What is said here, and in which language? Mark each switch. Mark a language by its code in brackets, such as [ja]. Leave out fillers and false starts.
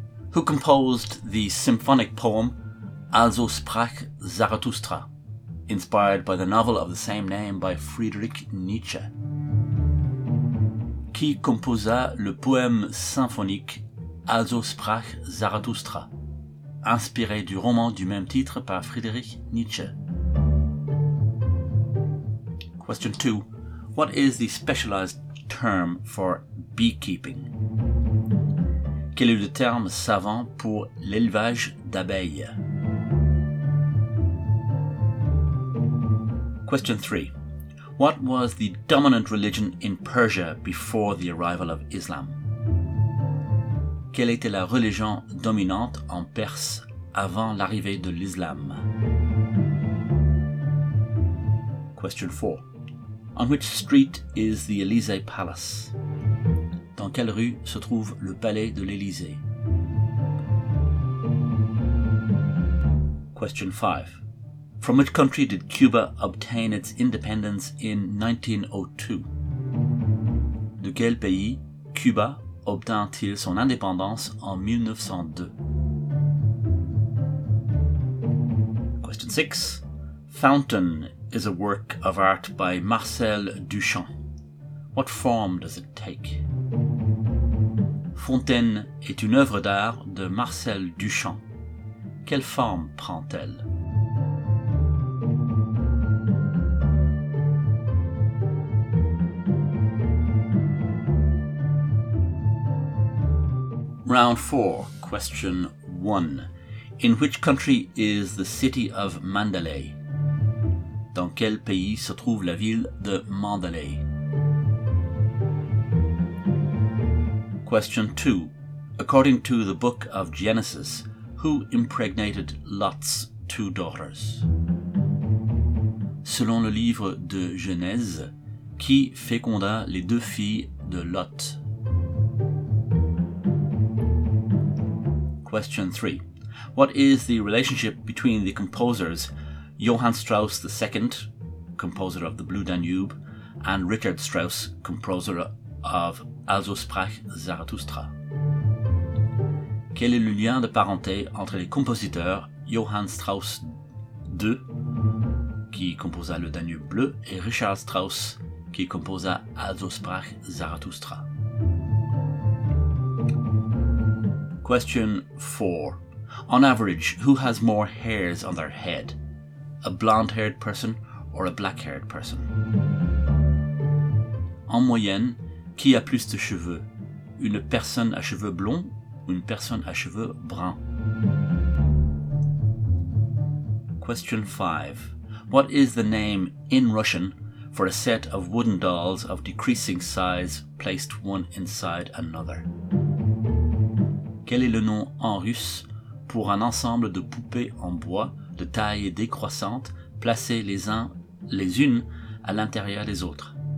[en] Who composed the symphonic poem Also sprach Zarathustra, inspired by the novel of the same name by Friedrich Nietzsche? [fr] Qui composa le poème symphonique Also sprach Zarathustra, inspiré du roman du même titre par Friedrich Nietzsche? [en] Question 2. What is the specialized term for beekeeping? [fr] Quel est le terme savant pour l'élevage d'abeilles? [en] Question 3. What was the dominant religion in Persia before the arrival of Islam? [fr] Quelle était la religion dominante en Perse avant l'arrivée de l'islam? [en] Question 4. On which street is the Élysée Palace? [fr] Dans quelle rue se trouve le palais de l'Élysée? [en] Question 5. From which country did Cuba obtain its independence in 1902? [fr] De quel pays Cuba obtint-il son indépendance en 1902? [en] Question 6. Fountain is a work of art by Marcel Duchamp. What form does it take? [fr] Fontaine est une œuvre d'art de Marcel Duchamp. Quelle forme prend-elle? [en] Round 4, question 1. In which country is the city of Mandalay? [fr] Dans quel pays se trouve la ville de Mandalay? [en] Question 2. According to the book of Genesis, who impregnated Lot's two daughters? [fr] Selon le livre de Genèse, qui féconda les deux filles de Lot? [en] Question 3. What is the relationship between the composers Johann Strauss II, composer of the Blue Danube, and Richard Strauss, composer of Also sprach Zarathustra? [fr] Quel est le lien de parenté entre les compositeurs Johann Strauss II, qui composa le Danube bleu, et Richard Strauss, qui composa Also sprach Zarathustra? [en] Question 4. On average, who has more hairs on their head? A blonde-haired person or a black-haired person? [fr] En moyenne, qui a plus de cheveux? Une personne à cheveux blonds ou une personne à cheveux bruns? [en] Question 5. What is the name in Russian for a set of wooden dolls of decreasing size placed one inside another? [fr] Quel est le nom en russe pour un ensemble de poupées en bois de taille décroissante placées les unes à l'intérieur des autres?